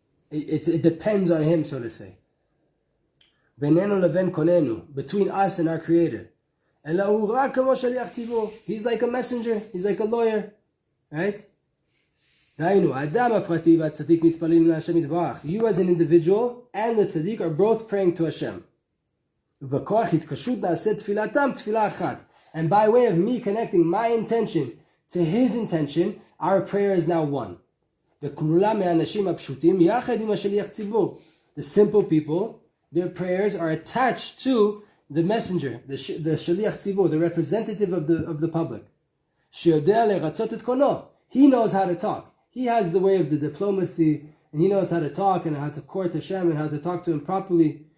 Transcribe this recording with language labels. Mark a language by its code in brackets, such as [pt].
[en] It depends on him, so to say. [he] בינינו לבין קוננו, [en] between us and our creator. [he] אלא הוא רק כמו שליח ציבור. [en] He's like a messenger, he's like a lawyer, right? [he] דיינו, האדם הפרטי והצדיק מתפללים להשם יתברך. [en] You as an individual and the tzaddik are both praying to Hashem. [he] ובכוח התקשות נעשה תפילתם תפילה אחת. [en] And by way of me connecting my intention to his intention, our prayer is now one. [he] וכלולה מהאנשים הפשוטים יחד עם השליח ציבור. [en] The simple people, their prayers are attached to the messenger, the shaliach tzibur, the representative of the public. [he] שיודע לרצות את קונו. [en] He knows how to talk. He has the way of the diplomacy, and he knows how to talk, and how to court Hashem, and how to talk to him properly.